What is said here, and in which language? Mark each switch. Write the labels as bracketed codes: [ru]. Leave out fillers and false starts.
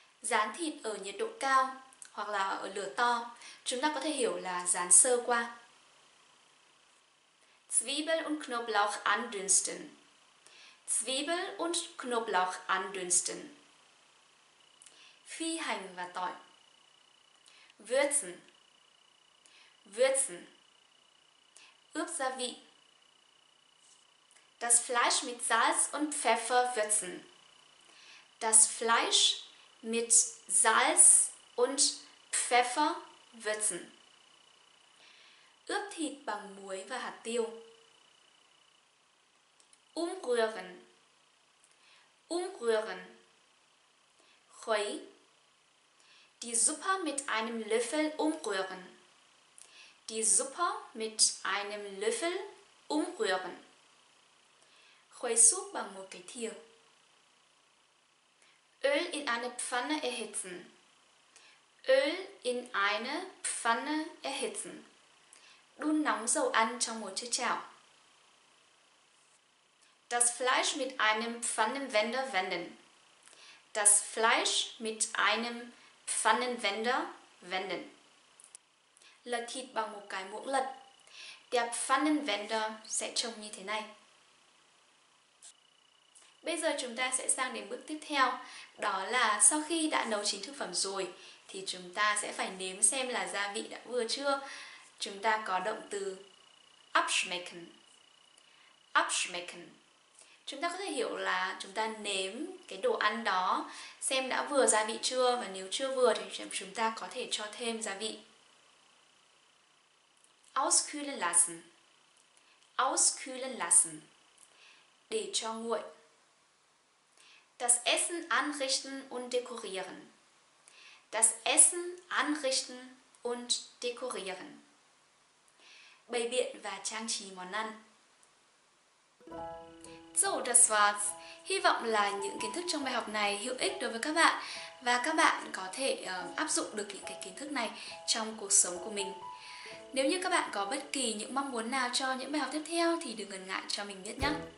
[vi] Rán thịt ở nhiệt độ cao hoặc là ở lửa to, chúng ta có thể hiểu là rán sơ qua. [de] Zwiebel und Knoblauch andünsten. Zwiebel und Knoblauch andünsten. [vi] Phi hành và tỏi. [de] Würzen. Würzen. [vi] Ướp gia vị. [de] Das Fleisch mit Salz und Pfeffer würzen. Das Fleisch mit Salz und Pfeffer würzen. [vi] Ướp thịt bằng muối và hạt tiêu. [de] Umrühren. Umrühren. [vi] Khuấy. [de] Die Suppe mit einem Löffel umrühren. Die Suppe mit einem Löffel umrühren. [vi] Khuấy súp bằng một cái thìa. [de] Öl in eine Pfanne erhitzen. Öl in eine Pfanne erhitzen. [vi] Đun nóng dầu ăn trong một chiếc chảo. [de] Das Fleisch mit einem Pfannenwender wenden. Das Fleisch mit einem Pfannenwender wenden. [vi] Lật thịt bằng một cái muỗng lật. [de] Der Pfannenwender [vi] sẽ trông như thế này. Bây giờ chúng ta sẽ sang đến bước tiếp theo. Đó là sau khi đã nấu chín thực phẩm rồi thì chúng ta sẽ phải nếm xem là gia vị đã vừa chưa. Chúng ta có động từ abschmecken. Abschmecken. Chúng ta có thể hiểu là chúng ta nếm cái đồ ăn đó xem đã vừa gia vị chưa, và nếu chưa vừa thì chúng ta có thể cho thêm gia vị. [de] Auskühlen lassen. Auskühlen lassen. [vi] Để cho nguội. [de] Das Essen anrichten und dekorieren. Das Essen anrichten und dekorieren. [vi] Bày biện và trang trí món ăn. [de] So, das war's. [vi] Hy vọng là những kiến thức trong bài học này hữu ích đối với các bạn và các bạn có thể áp dụng được những cái kiến thức này trong cuộc sống của mình. Nếu như các bạn có bất kỳ những mong muốn nào cho những bài học tiếp theo thì đừng ngần ngại cho mình biết nhé.